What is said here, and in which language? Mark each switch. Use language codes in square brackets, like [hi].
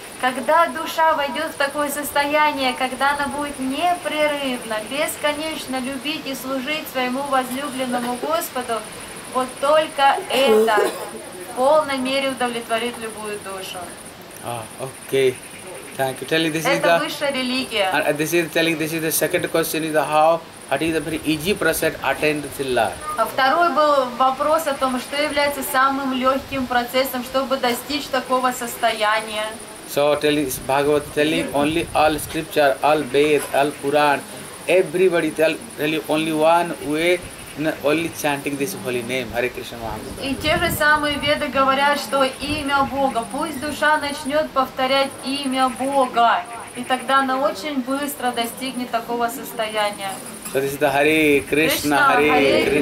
[ru] Когда душа войдет в такое состояние, когда она будет непрерывно, бесконечно любить и служить своему возлюбленному Господу, вот только это в полной мере удовлетворит любую душу. [en] Окей. Thank you. Telling this [ru] это [en] is the religion. And this is telling this is the second question is the how what is the very easy process attained the Lord. [ru] А второй был вопрос о том, что является самым легким процессом, чтобы достичь такого состояния. [en] So telling Bhagavad telling only all scripture, all Ved, all Puran, everybody tell really only one way. Only chanting this holy name, Hare Krishna Mahamudra. [ru] И те же самые веды говорят, что имя Бога. Пусть душа начнет повторять имя Бога, и тогда она очень быстро достигнет такого состояния. [en] So this is the Hare Krishna, Krishna Hare Krishna